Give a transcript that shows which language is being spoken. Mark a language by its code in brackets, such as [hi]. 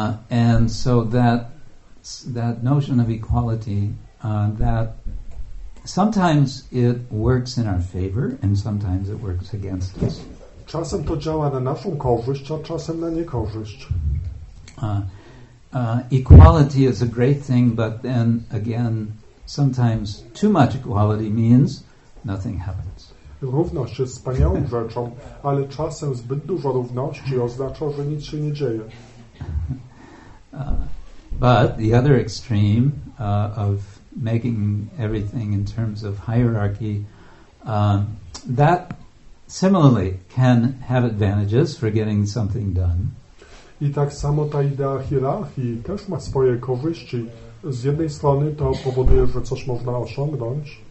[en] And so that notion of equality, that sometimes it works in our favor and sometimes it works against us. [pl] Czasem to działa na naszą korzyść, a czasem na niekorzyść. [en] Equality is a great thing, but then again, sometimes too much equality means nothing happens. [pl] Równość jest wspaniałą rzeczą, ale czasem zbyt dużo równości oznacza, że nic się nie dzieje. [en] But the other extreme of making everything in terms of hierarchy, that similarly can have advantages for getting something done. [pl] I tak samo ta idea hierarchii też ma swoje korzyści. Z jednej strony to powoduje, że coś można osiągnąć.